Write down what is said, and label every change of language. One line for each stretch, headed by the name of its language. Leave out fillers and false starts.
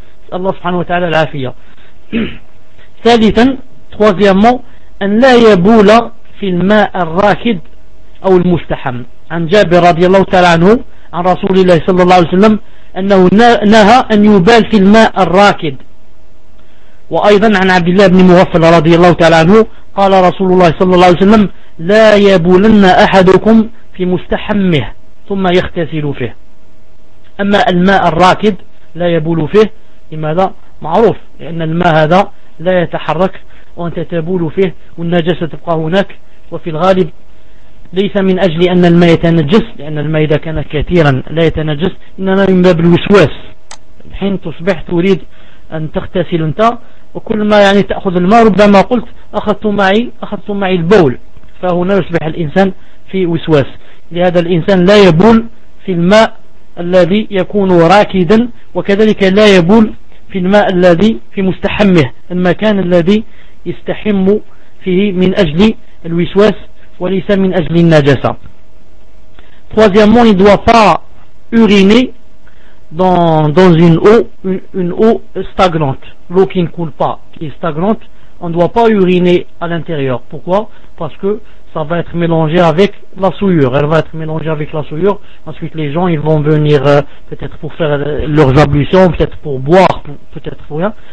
Arabic: Allah subhanahu wa ta'ala l'afiya.
French: Troisièmement
Arabic: an la yaboula fil ma al-rakid ou al-mustaham. An Jabir radiallahu ta'ala anhu an Rasulillah sallallahu alayhi wa sallam أنه نهى أن يبال في الماء الراكد. وأيضا عن عبد الله بن مغفل رضي الله تعالى عنه قال رسول الله صلى الله عليه وسلم لا يبولن أحدكم في مستحمه ثم يغتسل فيه. أما الماء الراكد لا يبول فيه. لماذا؟ معروف لأن الماء هذا لا يتحرك وأنت تبول فيه والنجسة تبقى هناك، وفي الغالب ليس من أجل أن الماء يتنجس، لأن الماء إذا كان كثيرا لا يتنجس، إنما من باب الوسواس. الحين تصبح تريد أن تغتسل أنت وكل ما يعني تأخذ الماء، ربما قلت أخذت معي البول، فهنا يصبح الإنسان في وسواس. لهذا الإنسان لا يبول في الماء الذي يكون راكدا، وكذلك لا يبول في الماء الذي في مستحمه، المكان الذي يستحم فيه من أجل الوسواس وليس من أجل النجاسة.
French: Troisièmement, il ne doit pas uriner dans une eau stagnante, l'eau qui ne coule pas, qui est stagnante. On ne doit pas uriner à l'intérieur. Pourquoi? Parce que ça va être mélangé avec la souillure. Elle va être mélangée avec la souillure. Ensuite, les gens, ils vont venir peut-être pour faire leurs ablutions, peut-être pour boire, peut-être pour rien.